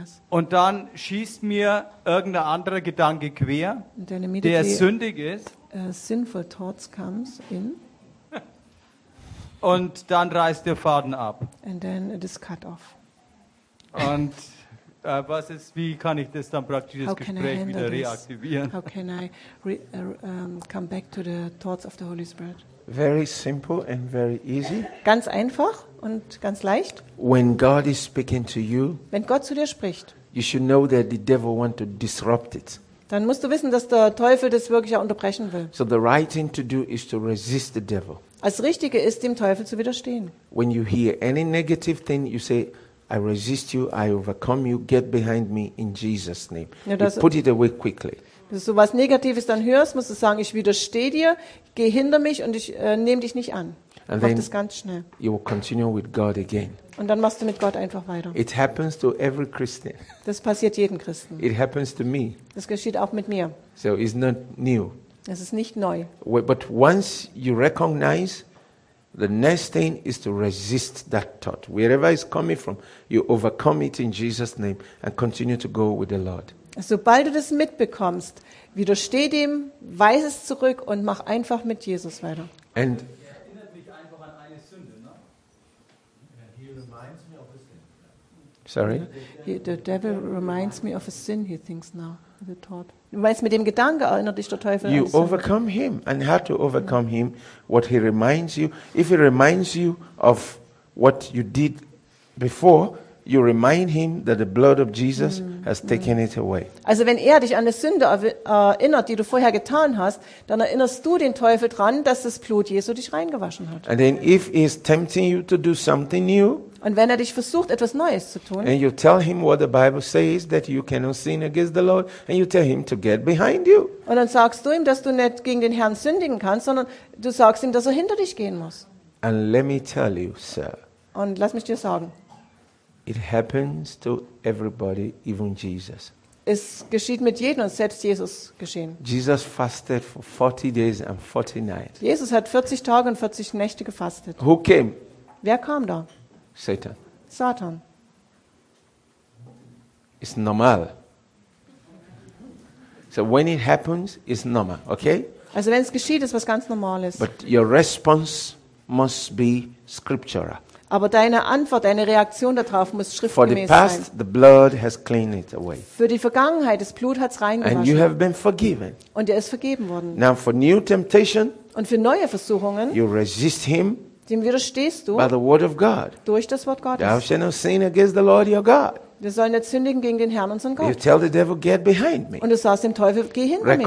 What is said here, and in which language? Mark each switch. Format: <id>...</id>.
<de>Und dann schießt mir irgendein anderer Gedanke quer, der sündig ist.</de> <en>Sinful thoughts comes in.</en> <de>Und dann reißt der Faden ab.</de> <en>And then it is cut off.</en> <de>Und wie kann ich das dann praktisch das Gespräch wieder reaktivieren?</de> <en>How can I come back to the thoughts of the Holy Spirit? Very simple and very easy.</en> <de>Ganz einfach und ganz leicht.</de> <en>When God is speaking to you,</en> <de>wenn Gott zu dir spricht,</de> <en>you should know that the devil wants to disrupt it.</en> <de>Dann musst du wissen, dass der Teufel das wirklich auch unterbrechen will.</de> <en>So the right thing to do is to resist the devil.</en> <de>Das Richtige ist, dem Teufel zu widerstehen.</de> <en>When you hear any negative thing, you say, I resist you, I overcome you, get behind me in Jesus' name.</en> <de>Ja, das,</de> <en>you put it away quickly.</en> <de>Wenn du sowas Negatives dann hörst, musst du sagen, ich widerstehe dir, geh hinter mich und ich nehme dich nicht an.</de> <en>And</en> <de>mach das ganz schnell.</de> <en>You will continue with God again.</en> <de>Und dann machst du mit Gott einfach weiter.</de> <en>It happens to every Christian.</en> <de>Das passiert jedem Christen.</de> <en>It happens to me.</en> <de>Das geschieht auch mit mir.</de> <en>So it's not new.</en> <de>Es ist nicht neu.</de> <en>But once you recognize, the next thing is to resist that thought. Wherever it's coming from, you overcome it in Jesus' name and continue to go with the Lord.</en> <de>Sobald du das mitbekommst, widersteh dem, weise es zurück und mach einfach mit Jesus weiter.</de> <en>And</en> <de>erinnert mich einfach an eine Sünde, ne?</de> <en>He reminds me of a sin. Sorry. The devil reminds me of a sin, he thinks now. The thought.</en> <de>Du meinst, mit dem Gedanke erinnert dich der Teufel</de> <en>an. You overcome him and how to overcome him, what he reminds you. If he reminds you of what you did before, you remind him that the blood of Jesus has taken it away.</en> <de>Also wenn er dich an eine Sünde erinnert, die du vorher getan hast, dann erinnerst du den Teufel dran, dass das Blut Jesu dich reingewaschen hat.</de> <en>And then if he is tempting you to do something new,</en> <de>und wenn er dich versucht, etwas Neues zu tun,</de> <en>and you tell him what the Bible says that you cannot sin against the Lord, and you tell him to get behind you.</en> <de>Und dann sagst du ihm, dass du nicht gegen den Herrn sündigen kannst, sondern du sagst ihm, dass er hinter dich gehen muss.</de> <en>And let me tell you, sir.</en> <de>Und lass mich dir sagen.</de> <en>It happens to everybody, even Jesus.</en> <de>Es geschieht mit jedem, und selbst Jesus geschehen.</de> <en>Jesus fasted for 40 days and 40 nights.</en> <de>Jesus hat 40 Tage und 40 Nächte gefastet.</de> <en>Who came?</en> <de>Wer kam da?</de> <en>Satan.</en> <de>Satan.</de> <en>It's normal. So when it happens, it's normal, okay?</en> <de>Also wenn es geschieht, ist was ganz Normales.</de> <en>But your response must be scriptural.</en> <de>Aber deine Antwort, deine Reaktion darauf muss schriftgemäß sein.</de> <en>For the past, the blood has cleaned it away.</en> <de>Für die Vergangenheit, das Blut hat es reingewaschen.</de> <en>And you have been forgiven.</en> <de>Und er ist vergeben worden.</de> <en>Now for new temptation.</en> <de>Und für neue Versuchungen.</de> <en>You resist him.</en> <de>Dem widerstehst du.</de> <en>By the word of God.</en> <de>Durch das Wort Gottes.</de> <en>Thou shalt not sin against the Lord your God.</en> <de>Wir sollen nicht sündigen gegen den Herrn unseren Gott.</de> <en>You tell the devil, get behind me.</en> <de>Und du sagst dem Teufel, geh hinter mich.</de>